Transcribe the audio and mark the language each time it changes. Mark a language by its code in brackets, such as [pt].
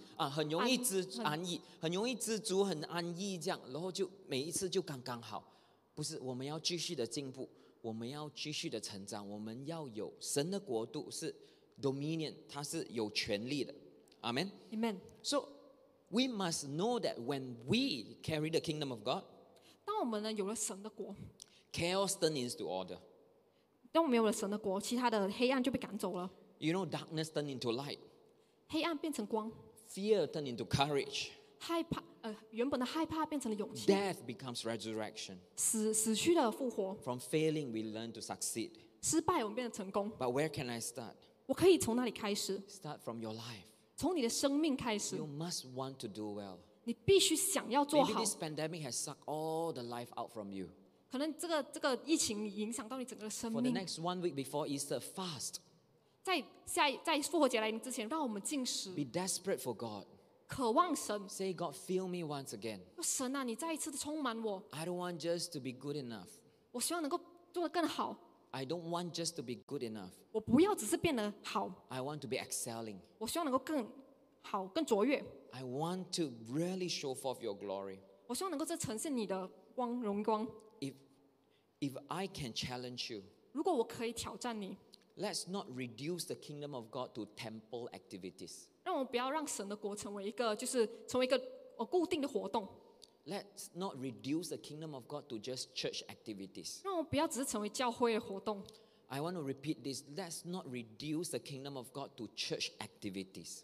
[zh] 很容易知足，很安逸，这样，然后就每一次就刚刚好。不是，我们要继续的进步，我们要继续的成长，我们要有神的国度是 dominion， 它是有权力的。阿门。 [en] Amen. So we must know that when we carry the kingdom of God， [zh] 当我们呢有了神的国 [en] ，chaos turns into order。 [zh] 当我们有了神的国，其他的黑暗就被赶走了。 [en] You know, darkness turns into light。 [zh] 黑暗变成光。 [en] Fear turned into courage. [zh] 原本的害怕变成了勇气。 [en] Death becomes resurrection. [zh] 死去了复活。 [en] From failing, we learn to succeed. [zh] 失败我们变成成功。 [en] But where can I start? [zh] 我可以从哪里开始？ [en] Start from your life. [zh] 从你的生命开始。 [en] You must want to do well. [zh] 你必须想要做好。 [en] Maybe this pandemic has sucked all the life out from you. [zh] 可能这个疫情影响到你整个生命。 [en] For the next 1 week before Easter, fast. [zh] 在复活节来临之前， 让我们进食， [en] be desperate for God， [zh] 渴望神， [en] say God fill me once again， [zh] 神啊， 你再一次充满我， [en] I don't want just to be good enough， [zh] 我希望能够做得更好， [en] I don't want just to be good enough， [zh] 我不要只是变得好， [en] I want to be excelling， [zh] 我希望能够更好， 更卓越， [en] I want to really show forth your glory， [zh] 我希望能够呈现你的荣光。 [en] If I can challenge you， [zh] 如果我可以挑战你， [en] let's not reduce the kingdom of God to temple activities. [zh] 让我们不要让神的国成为一个固定的活动。 [en] Let's not reduce the kingdom of God to just church activities. [zh] 让我们不要只是成为教会的活动。 [en] I want to repeat this. Let's not reduce the kingdom of God to church activities.